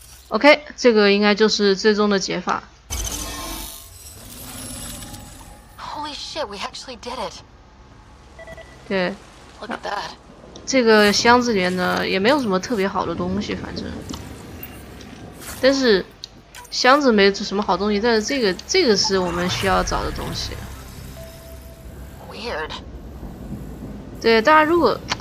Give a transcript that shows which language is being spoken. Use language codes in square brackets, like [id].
[zh] OK， 这个应该就是最终的解法。 [en] Holy shit, we actually did it. [zh] 对、 [en] Look at that. [zh] 这个箱子里面呢也没有什么特别好的东西，反正。但是箱子没什么好东西，但是这个是我们需要找的东西。 [en] Weird. [zh] 对，大家如果。